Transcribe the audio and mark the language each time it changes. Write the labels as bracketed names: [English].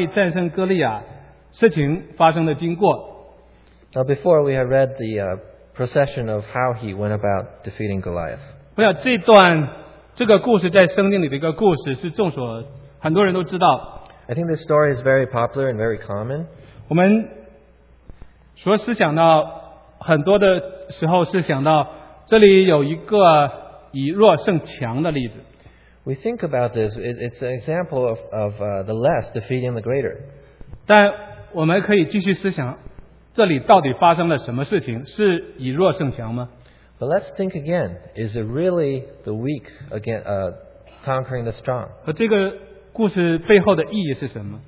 [Chinese] 那以上我们读的是大卫战胜哥利亚事情发生的经过。 [English] Now before we have read the procession of how he went about defeating Goliath. [Chinese] 不要，这段这个故事在圣经里的一个故事是众所很多人都知道。 [English] I think this story is very popular and very common. [Chinese] 我们所思想到很多的时候是想到这里有一个以弱胜强的例子。 [English] We think about this, it's an example of the less defeating the greater. [Chinese] 但我们可以继续思想，这里到底发生了什么事情？是以弱胜强吗？ [English] But let's think again. Is it really the weak again, conquering the strong? [Chinese] 和这个故事背后的意义是什么？